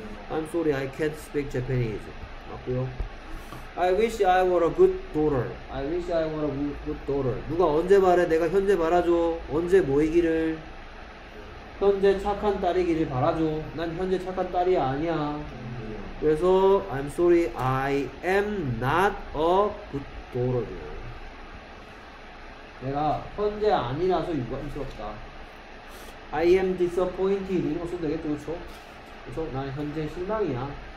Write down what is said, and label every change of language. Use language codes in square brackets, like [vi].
[en] I'm sorry, I can't speak Japanese. 맞고요. I wish I were a good daughter. I wish I were a good daughter. [ko] 누가 언제 말해? 내가 현재 말하죠. 언제 모이기를? 현재 착한 딸이기를 바라죠. 난 현재 착한 딸이 아니야. [en] 그래서 I'm sorry, I am not a good daughter. [ko] 내가 현재 아니라서 유감스럽다. [en] I am disappointed. [ko] 이런 거 써도 되겠죠, 그쵸? 그래서 난 현재 실망이야.